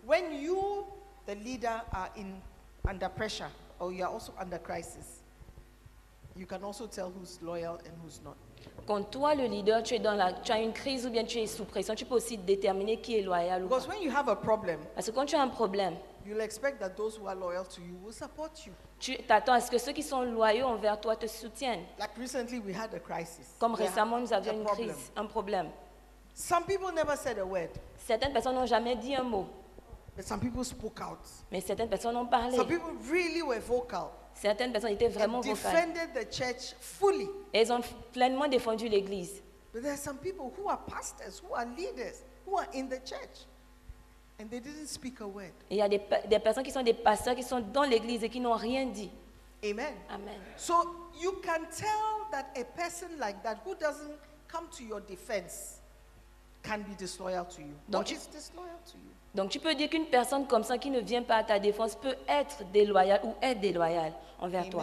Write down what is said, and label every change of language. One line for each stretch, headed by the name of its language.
English: When you, the leader, are in under pressure or you are also under crisis, you can also tell who's loyal and who's not.
French: Quand toi, le leader, tu as une crise ou bien tu es sous pression, tu peux aussi déterminer qui est loyal ou pas.
English: When you have a problem,
French: parce que quand tu as un problème,
English: you'll expect that those who are loyal to you will support you.
French: Tu t'attends à ce que ceux qui sont loyaux envers toi te soutiennent.
English: Like recently we had a crisis.
French: Comme récemment, nous avions une crise, un problème.
English: Some people never said a word.
French: Certaines personnes n'ont jamais dit un mot.
English: But some people spoke out.
French: Mais certaines personnes ont parlé.
English: Some people really were vocal.
French: Certaines personnes étaient vraiment vocales.
English: The church fully.
French: Et elles ont pleinement défendu l'église.
English: But there are some people who are pastors, who are leaders, who are in the church, and they didn't speak a word.
French: Il y a des personnes qui sont des pasteurs qui sont dans l'église et qui n'ont rien dit.
English: Amen.
French: Amen.
English: So you can tell that a person like that who doesn't come to your defense can be disloyal to you. Which is disloyal to you.
French: Donc tu peux dire qu'une personne comme ça qui ne vient pas à ta défense peut être déloyale ou est déloyale envers toi.